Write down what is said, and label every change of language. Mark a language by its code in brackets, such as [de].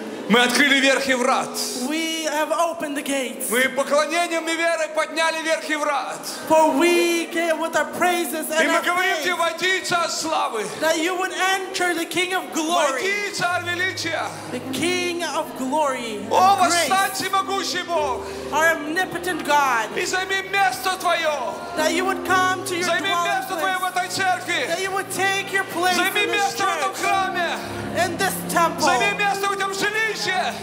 [ru] Мы открыли верхний врат. [en] We have opened the gates. [ru] Мы поклонением и верой подняли верхний врат. [en] For we came with our praises and [ru] И мы говорим тебе, войди, царь славы. [en] That you would enter the King of glory. [ru] Войди, царь величия. [en] The King of glory. [ru] О, восстань, всемогущий Бог. [en] Our omnipotent God. [ru] И займи место твое. [en] That you would come to your [ru] Займи [en] dwelling place. [ru] Займи место твое в этой церкви. [en] That you would take your place [ru] Займи [en] in this church. [ru] Займи место в этом храме. [en] In this temple. [ru] Займи место в этом жилище.